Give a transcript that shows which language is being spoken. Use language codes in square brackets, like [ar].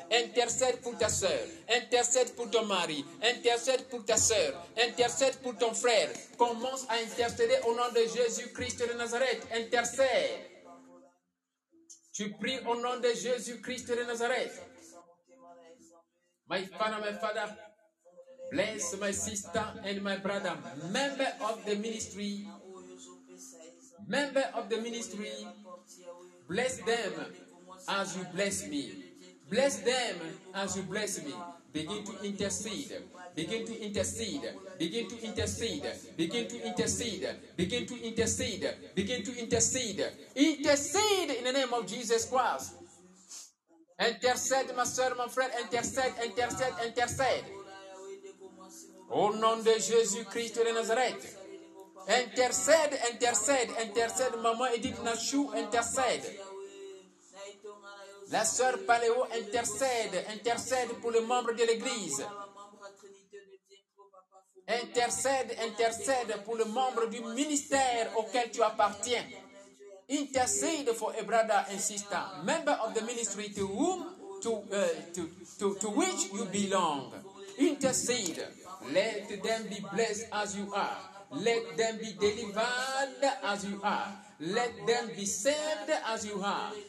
[fr] Intercède pour ta sœur. Intercède pour ton mari. Intercède pour ta sœur. Intercède pour ton frère. Commence à intercéder au nom de Jésus-Christ de Nazareth. Intercède. Tu pries au nom de Jésus-Christ de Nazareth. [en] My father, my father. Bless my sister and my brother, member of the ministry. Member of the ministry, bless them as you bless me. Bless them as you bless me. Begin to intercede. Begin to intercede. Begin to intercede. Begin to intercede. Begin to intercede. Begin to intercede. Intercede in the name of Jesus Christ. Intercede, [fr] ma soeur, mon frère. [en] Intercede, intercede, intercede. [fr] Au nom de Jésus-Christ de Nazareth. Intercède, intercède, intercède. Maman Edith Nachou, intercède. La sœur Paléo, intercède. Intercède pour les membres de l'Église. Intercède, intercède pour les membres du ministère auquel tu appartiens. [en] Intercède for a brother and sister, member of the ministry to whom to which you belong. Intercede. Let them be blessed as you are. Let them be delivered as you are. Let them be saved as you are.